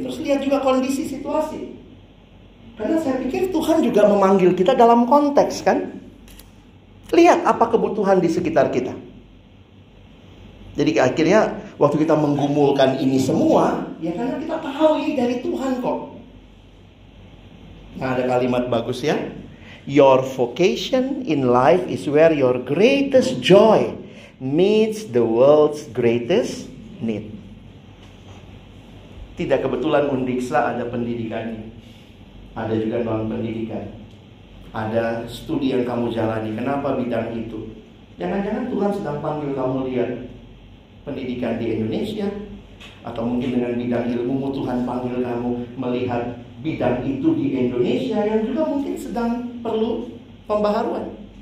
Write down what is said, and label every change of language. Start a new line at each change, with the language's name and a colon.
Indonesian: Terus lihat juga kondisi situasi. Karena saya pikir Tuhan juga memanggil kita dalam konteks kan. Lihat apa kebutuhan di sekitar kita. Jadi akhirnya waktu kita menggumulkan ini semua, ya karena kita tahu ini dari Tuhan kok. Nah ada kalimat bagus ya.
English: Your vocation in life is where your greatest joy meets the world's greatest need.
Indonesian: Tidak kebetulan Undiksa ada pendidikannya. Ada juga non pendidikan. Ada studi yang kamu jalani. Kenapa bidang itu? Jangan-jangan Tuhan sedang panggil kamu lihat pendidikan di Indonesia. Atau mungkin dengan bidang ilmumu Tuhan panggil kamu melihat bidang itu di Indonesia yang juga mungkin sedang perlu pembaharuan.